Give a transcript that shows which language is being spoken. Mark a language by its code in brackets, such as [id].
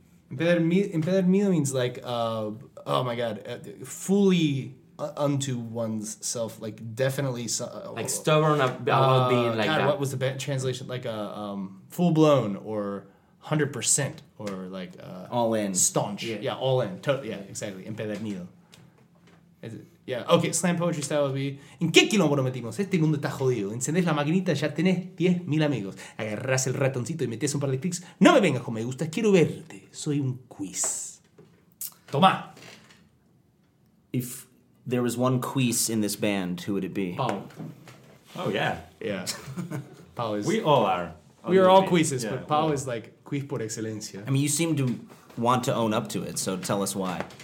[en] Empedernido means like, fully unto one's self, like definitely... like stubborn about being like God, that. What was the translation? Like full-blown or 100% or like... All-in. Staunch. Yeah, all-in. Totally. Yeah, exactly. Empedernido. Yeah, okay, slam poetry style would be... [es] ¿En qué quilombo nos metimos? Este mundo está jodido. Encendés la maquinita, ya tenés 10,000 amigos. Agarrás el ratoncito y metés un par de clics. No me vengas con me gustas, quiero verte. Soy un quiz. Tomá. [en] If there was one quiz in this band, who would it be? Paul. Oh, yeah. Yeah. Paul is... We all are. We are all quizzes, yeah, but Paul is like quiz [es] por excelencia. [en] I mean, you seem to want to own up to it, so tell us why.